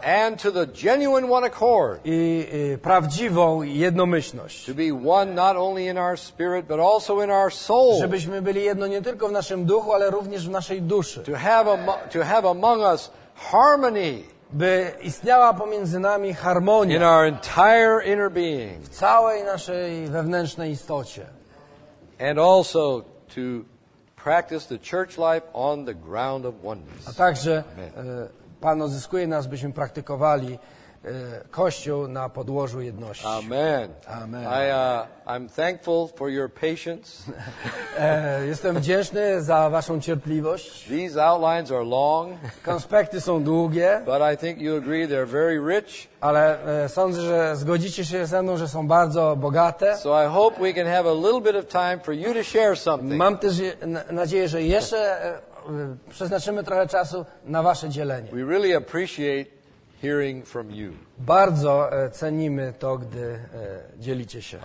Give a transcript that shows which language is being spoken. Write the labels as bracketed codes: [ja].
[en] And to the genuine one accord. [pl] I prawdziwą jednomyślność. [en] To be one not only in our spirit, but also in our soul. [pl] Żebyśmy byli jedno nie tylko w naszym duchu, ale również w naszej duszy. [en] To have among us harmony. [pl] By istniała pomiędzy nami harmonia [en] in our entire inner being. [pl] W całej naszej wewnętrznej istocie. [en] And also to practice the church life on the ground of oneness. [pl] A także Pan odzyskuje nas, byśmy praktykowali Kościół na podłożu jedności. Amen. Amen. [en] I'm thankful for your patience. [pl] Jestem wdzięczny za waszą cierpliwość. [en] These outlines are long. [pl] Konspekty są długie. [en] But I think you agree they're very rich. [pl] Ale sądzę, że zgodzicie się ze mną, że są bardzo bogate. [en] So I hope we can have a little bit of time for you to share something. [pl] Mam też nadzieję, że jeszcze przeznaczymy trochę czasu na wasze dzielenie. [en] We really appreciate hearing from you. [pl] Bardzo cenimy to, gdy dzielicie się.